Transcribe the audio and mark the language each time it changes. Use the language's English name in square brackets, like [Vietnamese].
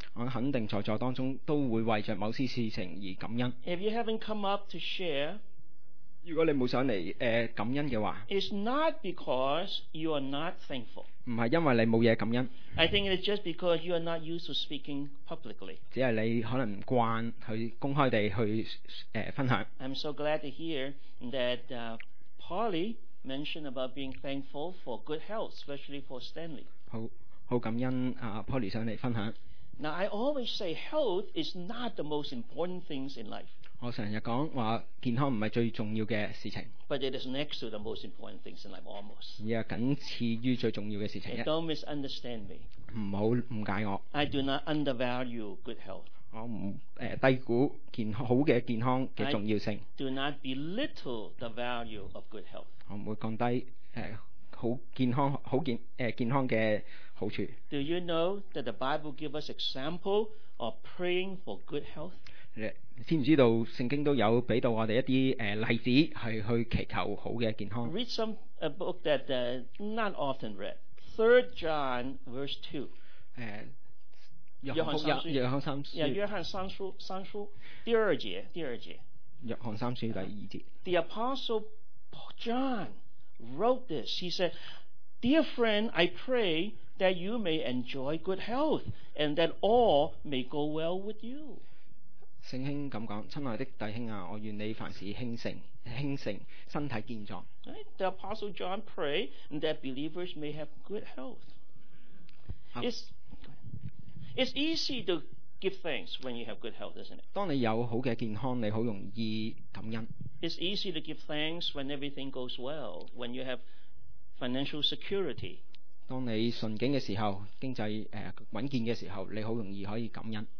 [Cantonese] 我肯定在座当中都会为着某些事情而感恩。 [English] If you haven't come up to share, [Cantonese] 如果你没上来感恩的话， [English] it's not because you are not thankful. [Cantonese] 不是因为你没有感恩。 [English] I think it's just because you are not used to speaking publicly. [Cantonese] 只是你可能不惯去公开地去分享。 [English] I'm so glad to hear that Polly mentioned about being thankful for good health, especially for Stanley. [Cantonese] 好。好感恩啊 ，Polly 上嚟分享。 [English] Now I always say health is not the most important things in life. [Cantonese] 我成日讲话健康唔系最重要嘅事情。 [English] But it is next to the most important things in life, almost. [Cantonese] 而系仅次于最重要嘅事情。 [English] And don't misunderstand me. [Cantonese] 唔好误解我。 [English] I do not undervalue good health. [Cantonese] 我唔低估健好嘅健康嘅重要性。 [English] I do not belittle the value of good health. [Cantonese] 我唔会降低好健康好健健康嘅。 [English] Do you know that the Bible gives us example of praying for good health? [Cantonese] 知唔知道聖經都有俾到我哋一啲例子係去祈求好嘅健康 [English] ？Read some a book that not often read. Third John verse 2. [Cantonese] 約翰三書第二節。約翰三書第二節。 [English] The Apostle John wrote this. He said, "Dear friend, I pray." That you may enjoy good health, and that all may go well with you. [Cantonese] 圣经咁讲，亲爱的弟兄啊，我愿你凡事兴盛，身体健壮。 [English] The Apostle John pray that believers may have good health. It's easy to give thanks when you have good health, isn't it? [Cantonese] 当你有好嘅健康，你好容易感恩。 [English] It's easy to give thanks when everything goes well, when you have financial security. [Cantonese] 当你顺境的时候经济稳健的时候你很容易可以感恩